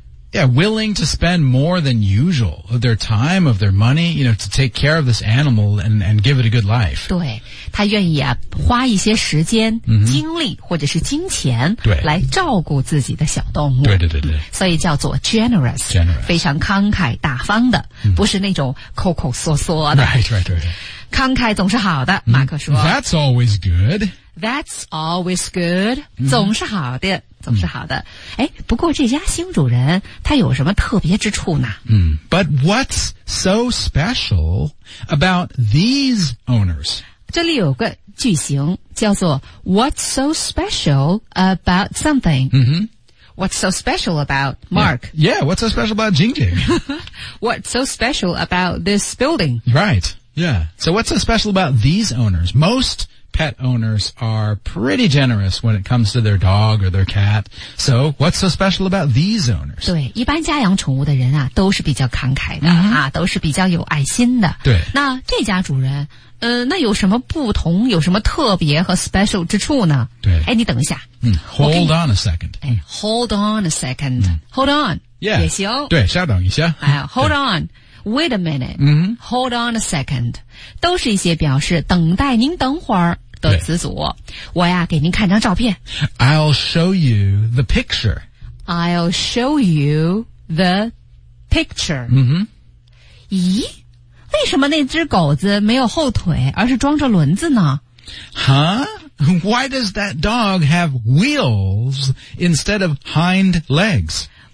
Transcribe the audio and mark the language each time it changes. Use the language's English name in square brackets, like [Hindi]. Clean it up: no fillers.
[English] Yeah, willing to spend more than usual of their time, of their money, you know, to take care of this animal and give it a good life. [Chinese] 对，他愿意啊花一些时间、精力或者是金钱来照顾自己的小动物。对对对对。所以叫做 generous, [English] generous. [Chinese] 非常慷慨大方的、不是那种抠抠缩缩的。 [English] Right, right, right. [Chinese] 慷慨总是好的、马克说。 [English] That's always good. That's always good.、 [Chinese] 总是好的。总是好的。哎，不过这家新主人他有什么特别之处呢？ [English] But what's so special about these owners? [Chinese] 这里有个句型叫做 [English] What's so special about something?、What's so special about Mark? Yeah, what's so special about Jing Jing? What's so special about this building? Right, yeah. So what's so special about these owners? Most pet owners are pretty generous when it comes to their dog or their cat. So, what's so special about these owners? [Chinese] 对，一般家养宠物的人啊，都是比较慷慨的、啊，都是比较有爱心的。对，那这家主人，那有什么不同？有什么特别和 special 之处呢？对，哎，你等一下。 [English] Hold on a second. Hold on a second. Hold on. Yeah. [Chinese] 也行。对，稍等一下。 [English] Hold on. Wait a minute. Hold on a second. [Chinese] 都是一些表示等待您等会儿的词组。我呀给您看张照片。 [English] I'll show you the picture. I'll show you the picture. [Chinese] 咦，为什么那只狗子没有后腿而是装着轮子呢？ [English] Why does that dog have wheels instead of hind legs?